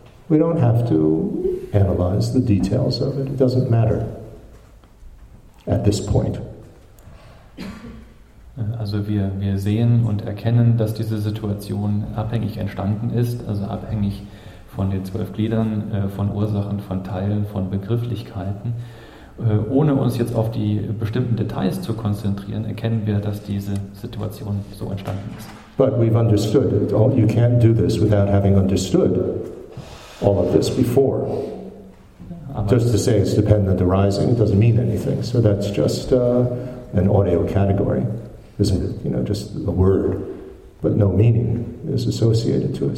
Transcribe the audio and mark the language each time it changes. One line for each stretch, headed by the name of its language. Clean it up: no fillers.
English: We don't have to analyze the details of it. It doesn't matter at this point.
German: Also wir sehen und erkennen, dass diese Situation abhängig entstanden ist, also abhängig von den 12 Gliedern, von Ursachen, von Teilen, von Begrifflichkeiten. Ohne uns jetzt auf die bestimmten Details zu konzentrieren, erkennen wir, dass diese Situation so entstanden ist.
English: But we've understood it. Oh, you can't do this without having understood all of this before.
German: Aber
English: just to say it's dependent arising doesn't mean anything. So that's just an audio category, isn't it? You know, just the word. But no meaning is associated to it.